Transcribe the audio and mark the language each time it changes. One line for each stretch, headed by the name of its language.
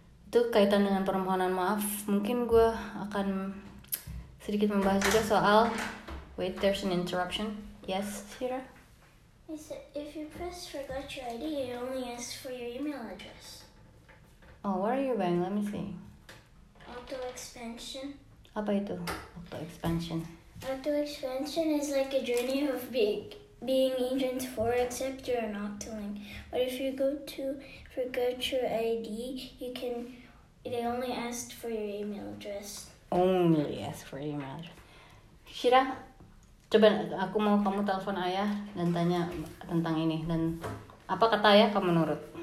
Indonesian: Itu kaitan dengan permohonan maaf. Mungkin gue akan sedikit membahas juga soal...
English: Wait, there's an interruption. Yes, Sira? If you press forgot your ID, it only asks for your email address. Oh, what are you buying? Let me see. Auto expansion.
Indonesian: Apa itu? Auto expansion.
English: Auto expansion is like a journey of being agent 4, except you're an Octoling. But if you go to forgot your ID, you can... They only asked for your email address. Only ask for email address.
Indonesian: Shira, coba aku mau kamu telepon ayah dan tanya tentang ini. Dan apa kata ayah kamu menurut?